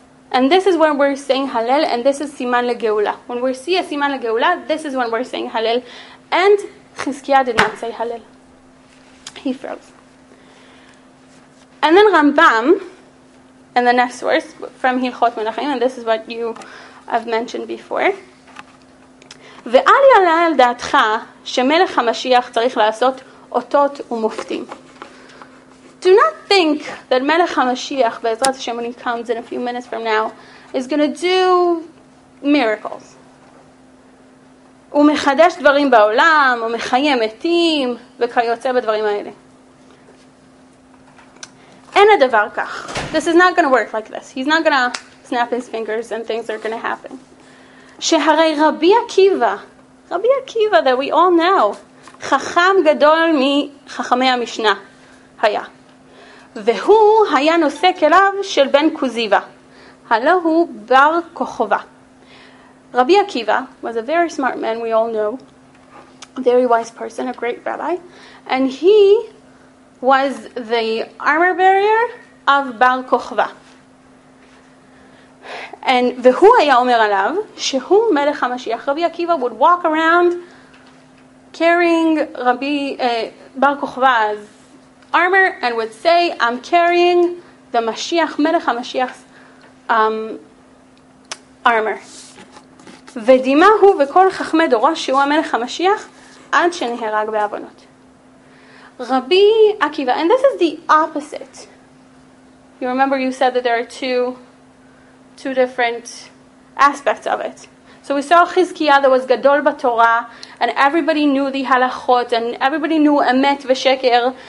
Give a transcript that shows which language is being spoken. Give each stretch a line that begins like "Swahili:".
English: And this is when we're saying Halel, and this is Siman LeGeula. When we see a Siman LeGeula, this is when we're saying Halel. And Chizkiyah did not say Halel. He froze. And then Rambam, in the next verse, from Hilchot Menachem, and this is what you have mentioned before,
Hebrew: ואל יעלה על דעתך שמלך המשיח צריך לעשות אותות ומופתים.
English: Do not think that מלך המשיח, בעזרת השם, when he comes in a few minutes from now, is going to do miracles.
Hebrew: הוא מחדש דברים בעולם, הוא מחיה מתים, וכיוצא בדברים האלה. אין הדבר כך.
English: This is not going to work like this. He's not going to snap his fingers and things are going to happen.
Hebrew: שהרי רבי עקיבא, רבי עקיבא
English: that we all know,
Hebrew: חכם גדול מחכמי המשנה היה. והוא היה נושא כליו של בן קוזיבה. הלא הוא בר כוכבה.
English: Rabbi Akiva was a very smart man, we all know, very wise person, a great rabbi, and he was the armor bearer of Bar Kokhba.
Hebrew: And והוא היה אומר עליו שהוא מלך המשיח.
English: Rabbi Akiva would walk around carrying Bar Kokhba's armor and would say, I'm carrying the Mashiach, מלך המשיח's armor.
Hebrew: ודימה הוא וכל חכמי דורו שהוא המלך המשיח עד שנהרג באבונות.
English: רבי עקיבא, and this is the opposite. You remember you said that there are two different aspects of it. So we saw חזקיה that was גדול בתורה, and everybody knew the הלכות, and everybody knew אמת ושקר.